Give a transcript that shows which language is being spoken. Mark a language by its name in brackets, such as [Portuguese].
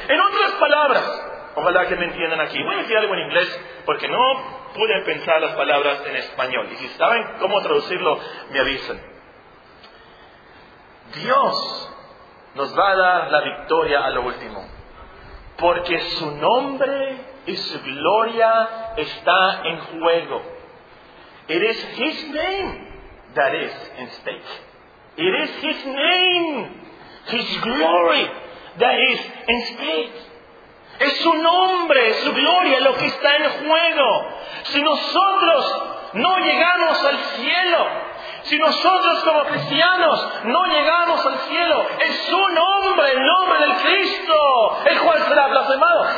[Spanish] En otras palabras, ojalá que me entiendan aquí. Voy a decir algo en inglés porque no pude pensar las palabras en español. Y si saben cómo traducirlo, me avisan. Dios nos va a dar la victoria a lo último. Porque su nombre y su gloria está en juego. [English] It is His name that is in stake. It is His name, His glory, that is in stake. [Spanish] Es su nombre, su gloria, lo que está en juego. Si nosotros no llegamos al cielo, si nosotros como cristianos no llegamos al cielo, es su nombre, el nombre del Cristo, el cual será blasfemado.